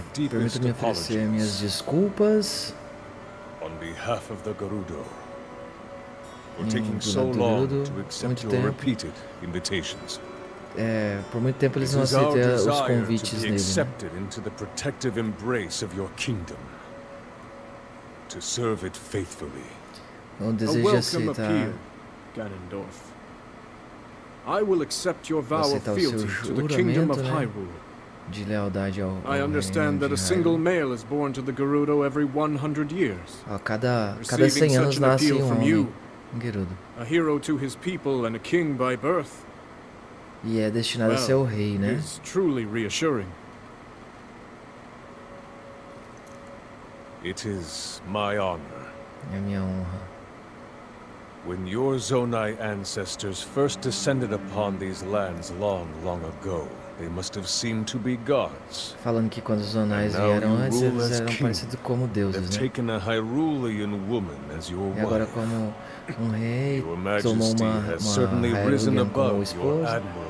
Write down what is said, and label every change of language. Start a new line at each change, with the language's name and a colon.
Portuguese: Permita-me oferecer minhas desculpas.
English: On behalf of the Gerudo. For taking so long to accept your repeated invitations.
Portuguese: É, por muito tempo eles não aceitam os convites dele.
English: Accepted into the protective embrace of your kingdom. To serve it faithfully.
Portuguese: Não deseja aceitar.
English: Ganondorf. I will accept your vow of fealty to the kingdom of Hyrule.
Portuguese: De lealdade ao
English: I understand that a single male is born to the Gerudo every 100 years.
Portuguese: Ó, cada 100 anos nasce um homem, um Gerudo.
English: A hero to his people and a king by birth.
Portuguese: E é destinado a ser o rei, né?
English: It's truly reassuring. It is my honor.
Portuguese: É minha honra.
English: When your Zonai ancestors first descended upon these lands long, long ago. They must have seemed to be gods.
Portuguese: Falando que quando os anões vieram antes, eles eram parecidos como deuses, né?
English: They've taken a Hyrulean woman as your wife.
Portuguese: E agora como um rei tomou uma Hyrulean como esposa.